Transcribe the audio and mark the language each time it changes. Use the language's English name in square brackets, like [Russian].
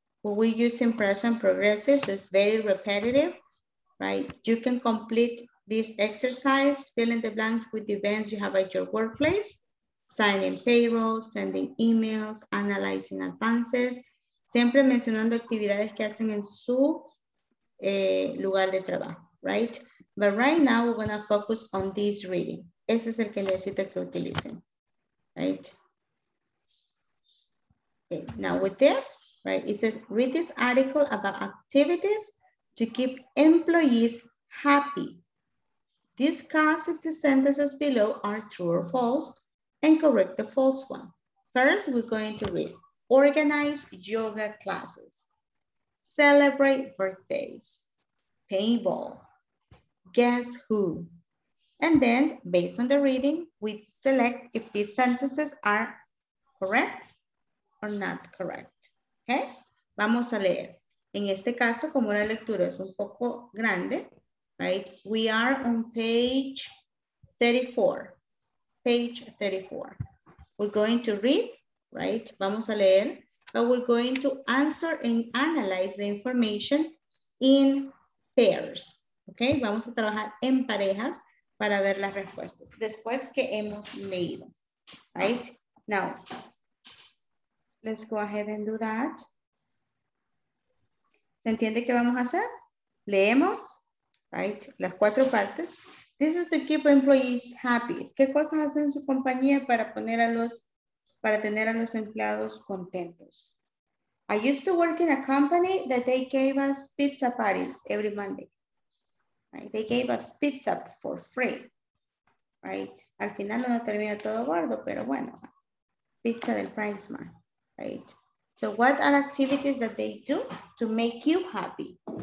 [English] We use in present progressive, so it's very repetitive, right? You can complete this exercise, fill in the blanks with the events you have at your workplace, signing payrolls, sending emails, analyzing advances, [Spanish] siempre mencionando actividades que hacen en su lugar de trabajo, right? [English] But right now we're going to focus on this reading. [Spanish] Ese es el que necesito que utilicen, right? [English] Okay, now with this, right, it says, read this article about activities to keep employees happy. Discuss if the sentences below are true or false and correct the false one. First, we're going to read, organize yoga classes, celebrate birthdays, paintball, guess who? And then based on the reading, we select if these sentences are correct or not correct, okay? [Spanish] Vamos a leer. En este caso, como la lectura es un poco grande, right? [English] We are on page 34. Page 34. We're going to read, right? [Spanish] Vamos a leer. [English] But we're going to answer and analyze the information in pairs, okay? [Spanish] Vamos a trabajar en parejas para ver las respuestas después que hemos leído, right? [English] Now, let's go ahead and do that. [Spanish] ¿Se entiende qué vamos a hacer? Leemos, right, las cuatro partes. [English] This is to keep employees happy. [Spanish] ¿Qué cosas hacen su compañía para poner a los, para tener a los empleados contentos? [English] I used to work in a company that they gave us pizza parties every Monday. Right? They gave us pizza for free, right? [Spanish] Al final no termina todo gordo, pero bueno, pizza del Franksman, right? [English] So what are activities that they do to make you happy?